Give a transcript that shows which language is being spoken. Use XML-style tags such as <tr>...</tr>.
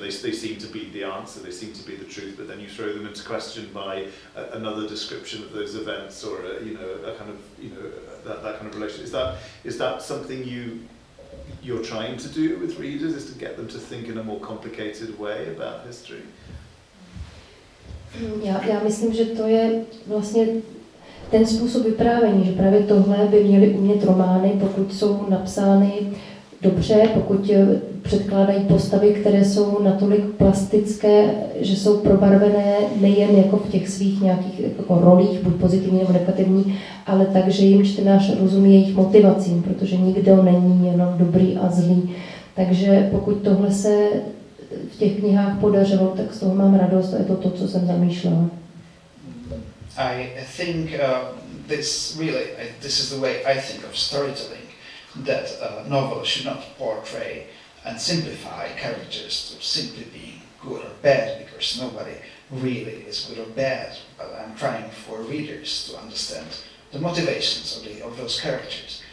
<en>They seem to be the answer, they seem to be the truth, but then you throw them into question by another description of those events, or a kind of relation. Is that something you're trying to do with readers, is to get them to think in a more complicated way about history?</en> <cs>Já myslím, že to je vlastně ten způsob vyprávění, že právě tohle by měly umět romány, pokud jsou napsány dobře, pokud předkládají postavy, které jsou natolik plastické, že jsou probarvené nejen jako v těch svých nějakých jako rolích, buď pozitivní nebo negativní, ale tak, že jim čtenář rozumí jejich motivacím, protože nikdo není jenom dobrý a zlý. Takže pokud tohle se v těch knihách podařilo, tak z toho mám radost a je to, co jsem zamýšlela.</cs> <en>I think this is the way I think of storytelling. That a novel should not portray and simplify characters to simply being good or bad, because nobody really is good or bad, but I'm trying for readers to understand the motivations of those characters.</en>